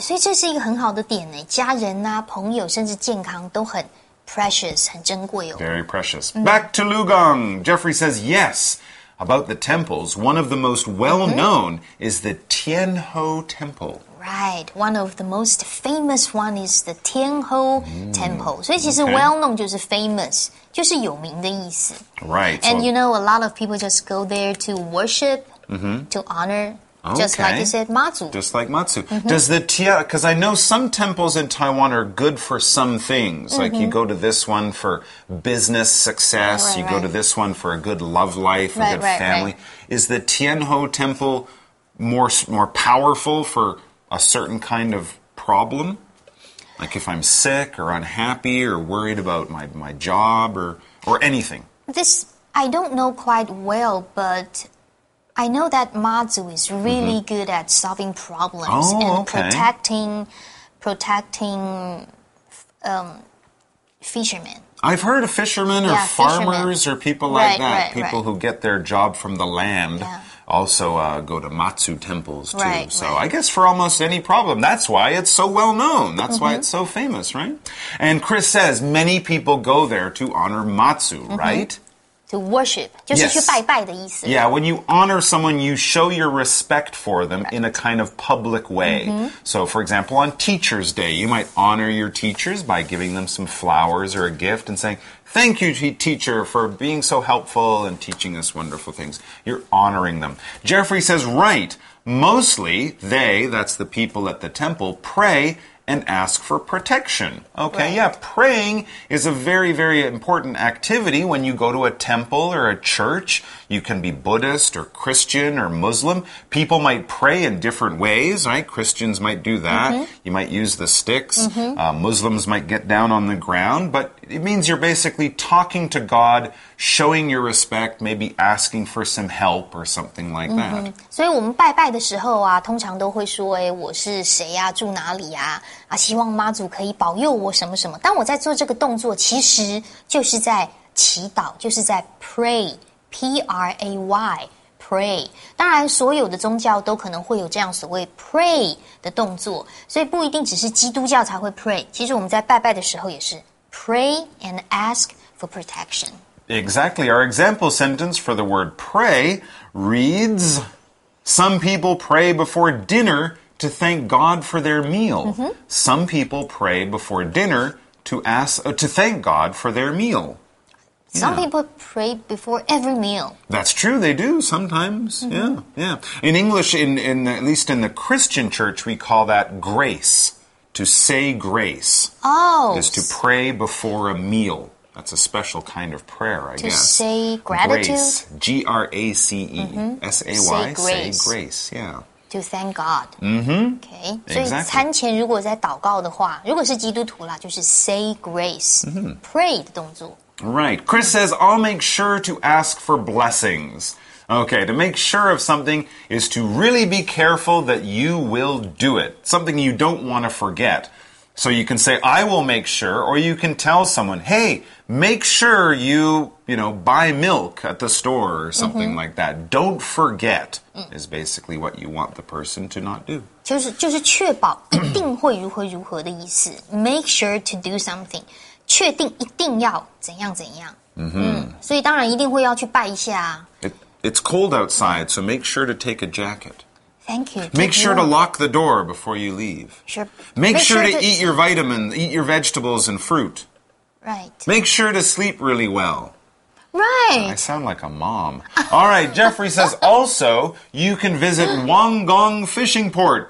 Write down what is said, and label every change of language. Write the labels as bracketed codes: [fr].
[zh] 所以这是一个很好的点呢。家人啊，朋友，甚至健康都很 precious, 很珍贵哦。 [en] Very precious. Back to Lugang. Jeffrey says, yes, about the temples, one of the most well-known is the Tianho Temple. Right. One of the most famous one is the Tianho Temple. [zh] 所以其实 well-known 就是 famous, 就是有名的意思。 [en] Right. And you know, a lot of people just go there to worship, to honor... Okay. Just like you said, Matsu. Just like Matsu.、 Mm-hmm. Does the Tian... Because I know some temples in Taiwan are good for some things.、 Mm-hmm. Like you go to this one for business success. Right, right, you go to this one for a good love life, right, a good family. Right. Is the Tianho Temple more powerful for a certain kind of problem? Like if I'm sick or unhappy or worried about my job or anything? This, I don't know quite well, but... I know that Mazu is really、mm-hmm. good at solving problems、 oh, and、 okay. protecting fishermen. I've heard of fishermen yeah, or fishermen. Farmers or people like right, that, right, people right. who get their job from the land、 yeah. also、go to Mazu temples too. Right, so right. I guess for almost any problem, that's why it's so well known. That's、 mm-hmm. why it's so famous, right? And Chris says many people go there to honor Mazu,、 mm-hmm. right? To worship, [zh] 就是去拜拜的意思。 [en] Yeah, when you honor someone, you show your respect for them、 right. in a kind of public way.、 Mm-hmm. So, for example, on Teacher's Day, you might honor your teachers by giving them some flowers or a gift and saying, thank you, teacher, for being so helpful and teaching us wonderful things. You're honoring them. Jeffrey says, right, mostly they, that's the people at the temple, pray and ask for protection. Okay, right. Yeah, praying is a very, very important activity when you go to a temple or a church. You can be Buddhist or Christian or Muslim. People might pray in different ways, right? Christians might do that. Mm-hmm. You might use the sticks. Mm-hmm. Muslims might get down on the ground. But it means you're basically talking to God, showing your respect, maybe asking for some help or something like that. Mm-hmm. [zh] 所以我们拜拜的时候啊，通常都会说，哎，我是谁啊，住哪里啊？啊，希望妈祖可以保佑我什么什么。当我在做这个动作，其实就是在祈祷，就是在 pray。 [en] P-R-A-Y, pray. [zh] 当然所有的宗教都可能会有这样所谓 pray 的动作，所以不一定只是基督教才会 pray， 其实我们在拜拜的时候也是 [en] pray and ask for protection. Exactly. Our example sentence for the word pray reads, some people pray before dinner to thank God for their meal. Mm-hmm. Some people pray before dinner to thank God for their meal. Some people pray before every meal. That's true, they do sometimes. Mm-hmm. Yeah, yeah. In English, in at least in the Christian church, we call that grace. To say grace. Oh. Is to pray before a meal. That's a special kind of prayer, I guess. To say gratitude? Grace. G-R-A-C-E. Mm-hmm. S-A-Y. Say grace. Say grace, yeah. To thank God. Mm-hmm. Okay. So, exactly. [zh] 餐前如果在祷告的话，如果是基督徒啦，就是 [en] say grace,、 [zh] mm-hmm. pray 的动作。 [en] Right. Chris says, I'll make sure to ask for blessings. Okay. To make sure of something is to really be careful that you will do it. Something you don't want to forget. So you can say, I will make sure, or you can tell someone, hey, make sure you buy milk at the store or something、mm-hmm. like that. Don't forget、mm-hmm. is basically what you want the person to not do. [zh] 就是确保一定会如何如何的意思。 [en] Make sure to do something. [zh] 确定一定要怎样怎样、 mm-hmm. 嗯、所以当然一定会要去拜一下 [en] It's cold outside, so make sure to take a jacket. Thank you. Make sure to lock the door before you leave. Sure. Make sure to eat your vitamins, eat your vegetables and fruit. Right. Make sure to sleep really well. Right. I sound like a mom. All right, Jeffrey says, also, you can visit Wanggong Fishing Port.